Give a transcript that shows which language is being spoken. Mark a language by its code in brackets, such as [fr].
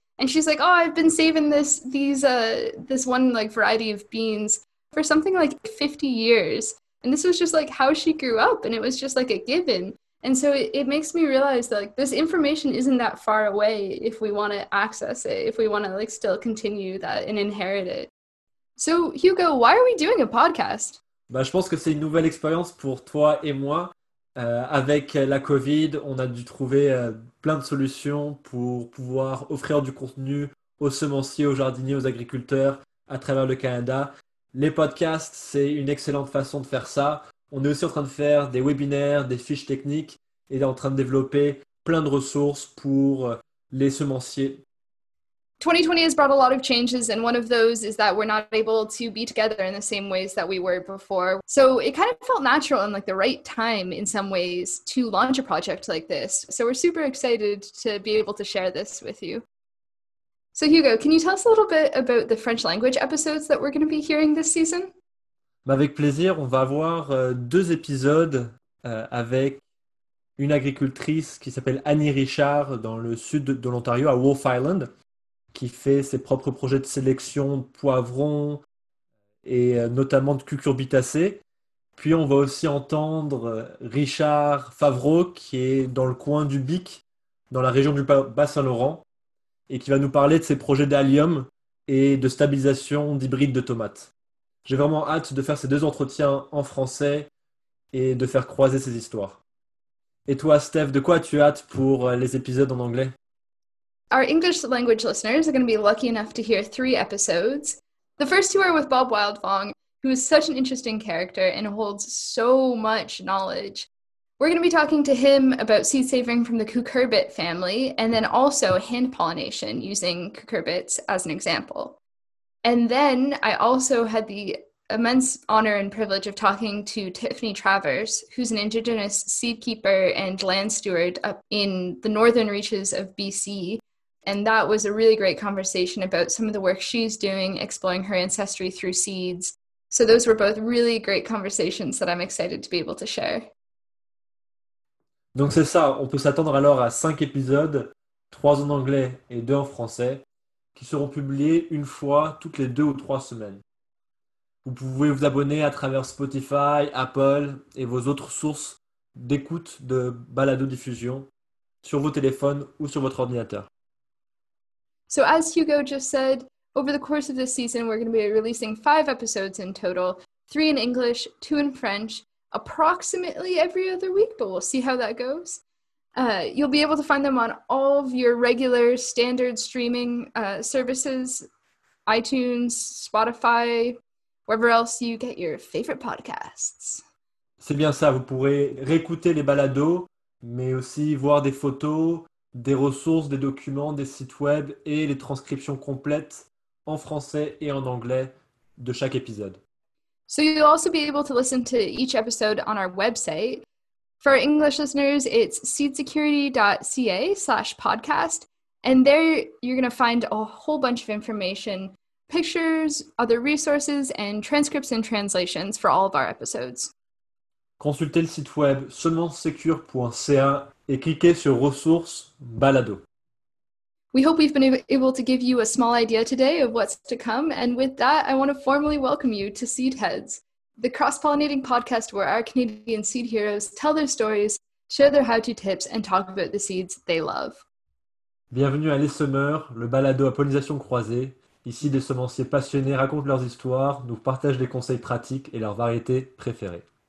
[en] And she's like, "Oh, I've been saving this one like variety of beans for something like 50 years." And this was just like how she grew up, and it was just like a given. And so it makes me realize that like this information isn't that far away if we want to access it, if we want to like still continue that and inherit it. So Hugo, why are we doing a podcast? [fr] Bah, je pense que c'est une nouvelle expérience pour toi et moi. Avec la COVID, on a dû trouver plein de solutions pour pouvoir offrir du contenu aux semenciers, aux jardiniers, aux agriculteurs à travers le Canada. Les podcasts, c'est une excellente façon de faire ça. On est aussi en train de faire des webinaires, des fiches techniques et en train de développer plein de ressources pour les semenciers. [en] 2020 has brought a lot of changes, and one of those is that we're not able to be together in the same ways that we were before. So it kind of felt natural and like the right time in some ways to launch a project like this. So we're super excited to be able to share this with you. So Hugo, can you tell us a little bit about the French language episodes that we're going to be hearing this season? [fr] Avec plaisir, on va avoir deux épisodes avec une agricultrice qui s'appelle Annie Richard dans le sud de l'Ontario, à Wolf Island, qui fait ses propres projets de sélection de poivrons et notamment de cucurbitacées. Puis on va aussi entendre Richard Favreau qui est dans le coin du Bic, dans la région du Bas-Saint-Laurent, et qui va nous parler de ses projets d'allium et de stabilisation d'hybrides de tomates. J'ai vraiment hâte de faire ces deux entretiens en français et de faire croiser ces histoires. Et toi, Steph, de quoi as-tu hâte pour les épisodes en anglais? [en] Our English language listeners are going to be lucky enough to hear three episodes. The first two are with Bob Wildfong, who is such an interesting character and holds so much knowledge. We're going to be talking to him about seed saving from the cucurbit family and then also hand pollination using cucurbits as an example. And then I also had the immense honor and privilege of talking to Tiffany Travers, who's an Indigenous seed keeper and land steward up in the northern reaches of BC. And that was a really great conversation about some of the work she's doing, exploring her ancestry through seeds. So those were both really great conversations that I'm excited to be able to share. [fr] Donc c'est ça, on peut s'attendre alors à 5 épisodes, 3 en anglais et 2 en français, qui seront publiés une fois toutes les 2 ou 3 semaines. Vous pouvez vous abonner à travers Spotify, Apple et vos autres sources d'écoute de balado-diffusion sur vos téléphones ou sur votre ordinateur. [en] So as Hugo just said, over the course of this season, we're going to be releasing 5 episodes in total, 3 in English, 2 in French, approximately every other week, but we'll see how that goes. You'll be able to find them on all of your regular standard streaming services, iTunes, Spotify, wherever else you get your favorite podcasts. [fr] C'est bien ça, vous pourrez réécouter les balados, mais aussi voir des photos, des ressources, des documents, des sites web et les transcriptions complètes en français et en anglais de chaque épisode. [en] So you'll also be able to listen to each episode on our website. For our English listeners, it's seedsecurity.ca/podcast. And there you're going to find a whole bunch of information, pictures, other resources, and transcripts and translations for all of our episodes. [fr] Consultez le site web semencesecure.ca et cliquez sur ressources balado. [en] We hope we've been able to give you a small idea today of what's to come. And with that, I want to formally welcome you to Seed Heads, the cross-pollinating podcast where our Canadian seed heroes tell their stories, share their how-to tips, and talk about the seeds they love. [fr] Bienvenue à Les Semeurs, le balado à pollinisation croisée. Ici, des semenciers passionnés racontent leurs histoires, nous partagent des conseils pratiques et leurs variétés préférées.